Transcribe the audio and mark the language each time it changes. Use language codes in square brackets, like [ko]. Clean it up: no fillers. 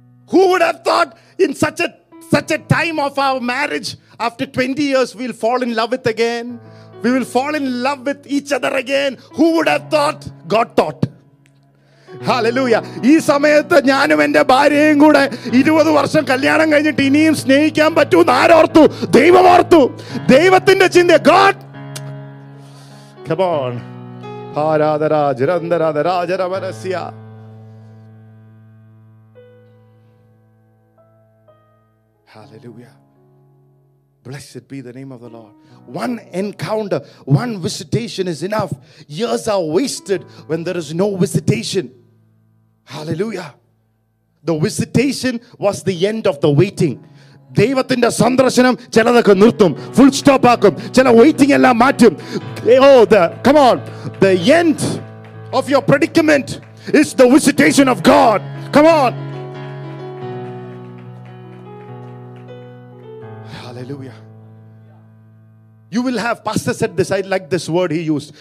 [en] Who would have thought in such a time of our marriage, after 20 years, we'll fall in love with again? We will fall in love with each other again. Who would have thought? God thought. Hallelujah. [ml] ഈ സമയത്ത് ഞാനും എന്റെ ഭാര്യയും കൂടെ 20 വർഷം കല്യാണം കഴിഞ്ഞിട്ട് ഇനിയും സ്നേഹിക്കാൻ പറ്റുമെന്ന് ആരോർത്തു? ദൈവം ഓർത്തു. ദൈവത്തിന്റെ ചിന്ത. [en] God. Come on. ആരാധരാജരന്തരാധരാജരമനസ്യ. Hallelujah. Blessed be the name of the Lord. One encounter, one visitation is enough. Years are wasted when there is no visitation. Hallelujah. The visitation was the end of the waiting. [ml] ദൈവത്തിന്റെ സന്ദർശനം ചിലതൊക്കെ നിർത്തും, full stop ആക്കും, ചില waiting എല്ലാം മാറ്റും. [en] Oh, the, come on. The end of your predicament is the visitation of God. Come on. Hallelujah. You will have, Pastor said this, I like this word he used.